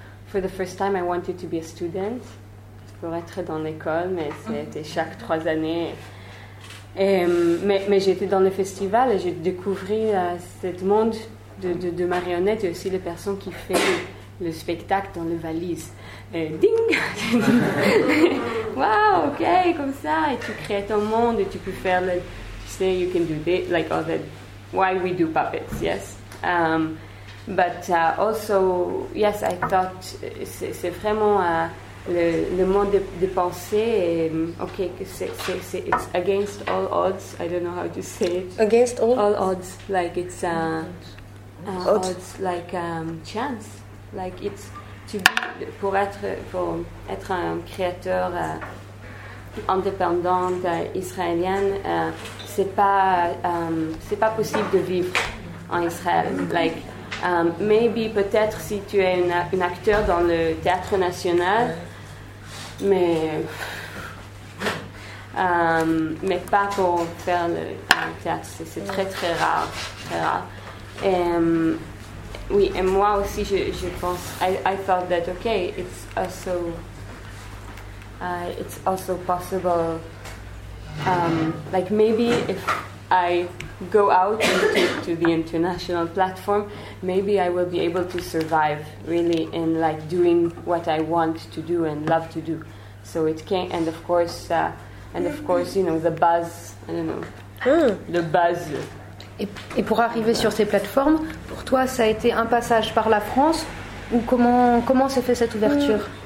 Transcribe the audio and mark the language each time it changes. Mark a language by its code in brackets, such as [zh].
[en] For the first time, I wanted to be a student. [fr] Pour être dans l'école, mais c'était chaque 3 années. Mais j'étais dans le festival et j'ai découvert ce monde de marionnettes et aussi les personnes qui font le spectacle dans les valises. Et ding! Wow, ok, comme ça. Et tu crées ton monde et tu peux faire le. Tu sais, [en] you can do this, like all that. Why we do puppets, yes? I thought [fr] c'est vraiment le monde de penser. Et, ok, c'est [en] it's against all odds. I don't know how to say it. Against all odds, like it's odds, like chance, like it's to be, [fr] pour être un créateur indépendant israélien, c'est pas possible de vivre en Israël, like. Peut-être si tu es un acteur dans le théâtre national, mais pas pour faire le théâtre, c'est très très rare, très rare. Et moi aussi je pense, [en] I thought that okay, it's also possible, I go out to the international platform, maybe I will be able to survive really in like doing what I want to do and love to do. So it came, and of course, you know, the buzz, I don't know, the buzz. [fr] Et pour arriver sur ces plateformes, pour toi, ça a été un passage par la France, ou comment s'est fait cette ouverture?